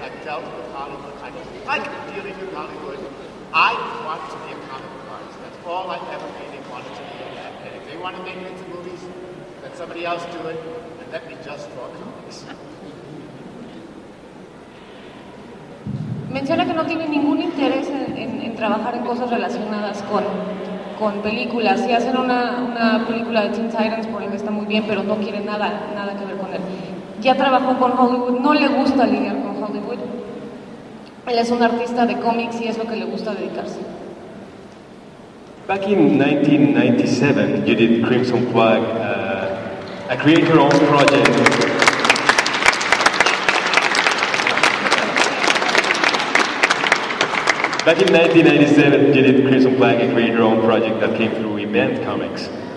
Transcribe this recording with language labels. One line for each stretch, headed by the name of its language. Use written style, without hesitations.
English: I've dealt with Hollywood. I don't like dealing with Hollywood. I want to be a comic book artist. That's all I've ever really wanted to be. And if they want to make it into movies, let somebody else do it, and let me just draw comics.
Spanish: Menciona que no tiene ningún interés en trabajar en cosas relacionadas con películas. Si hacen una película de Teen Titans, por ejemplo, está muy bien, pero no quiere nada que ver con él. Ya trabajó con Hollywood, no le gusta lidiar con Hollywood. Él es un artista de cómics y es lo que le gusta dedicarse.
English: Back in 1997, you did Crimson Flag, a creator-owned project. Back in 1997, you did Crimson Flag and created your own project that came through Event Comics.